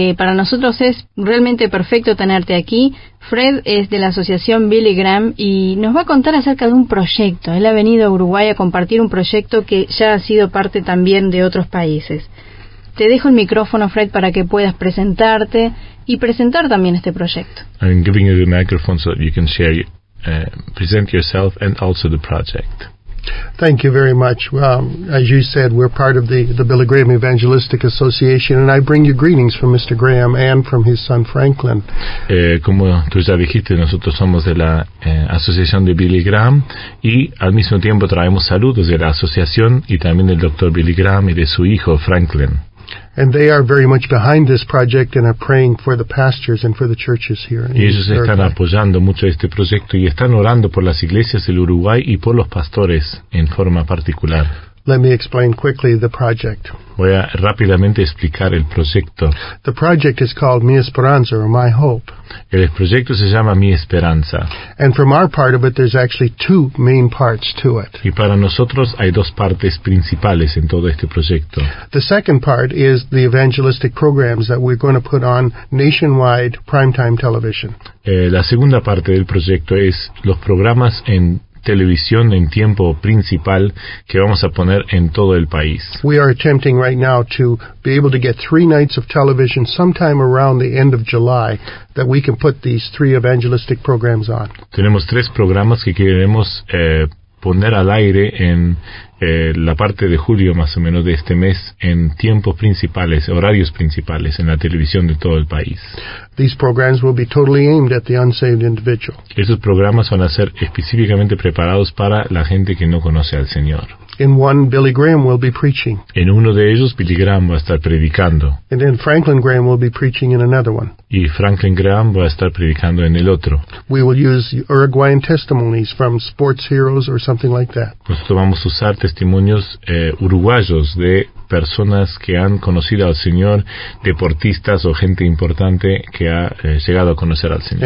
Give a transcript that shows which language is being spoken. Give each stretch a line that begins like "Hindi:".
Spanish: Para nosotros es realmente perfecto tenerte aquí. Fred es de la asociación Billy Graham y nos va a contar acerca de un proyecto. Él ha venido a Uruguay a compartir un proyecto que ya ha sido parte también de otros países. Te dejo el micrófono, Fred, para que puedas presentarte y presentar también este proyecto.
English: I'm giving you the microphone so that you can share, present yourself and also the project. Thank you very much. As you said, we're part of the Billy Graham Evangelistic Association, and I bring you greetings from Mr. Graham and from his son Franklin.
Spanish: Como tú ya dijiste, nosotros somos de la asociación de Billy Graham, y al mismo tiempo traemos saludos de la asociación y también del Dr. Billy Graham y de su hijo Franklin.
English: And they are very much behind this project and are praying for the pastors and for the churches here.
Spanish: Y ellos están apoyando mucho este proyecto y están orando por las iglesias del Uruguay y por los pastores en forma particular.
English: Let me explain quickly the project.
Spanish: Voy a rápidamente explicar el proyecto.
English: The project is called Mi Esperanza, or My Hope.
Spanish: El proyecto se llama Mi Esperanza.
English: And from our part of it, there's actually two main parts to it.
Spanish: Y para nosotros hay dos partes principales en todo este proyecto.
English: The second part is the evangelistic programs that we're going to put on nationwide primetime television.
Spanish: La segunda parte del proyecto es los programas en televisión en tiempo principal que vamos a poner en todo el país.
English: We are attempting right now to be able to get 3 nights of television sometime around the end of July that we can put these 3 evangelistic programs on.
Spanish: Tenemos 3 programas que queremos poner al aire en la parte de julio más o menos de este mes en tiempos principales, horarios principales en la televisión de todo el país.
English: These programs will be totally aimed at the unsaved individual.
Spanish: Estos programas van a ser específicamente preparados para la gente que no conoce al Señor.
English: In one, Billy Graham will be preaching.
Spanish: En uno de ellos, Billy Graham va a estar predicando.
English: And then Franklin Graham will be preaching in another one.
Spanish: Y Franklin Graham va a estar predicando en el otro.
English: We will use Uruguayan testimonies from sports heroes or something like that.
Spanish: Nosotros vamos a usar testimonios uruguayos de personas que han conocido al Señor, deportistas o gente importante que ha llegado a conocer al Señor.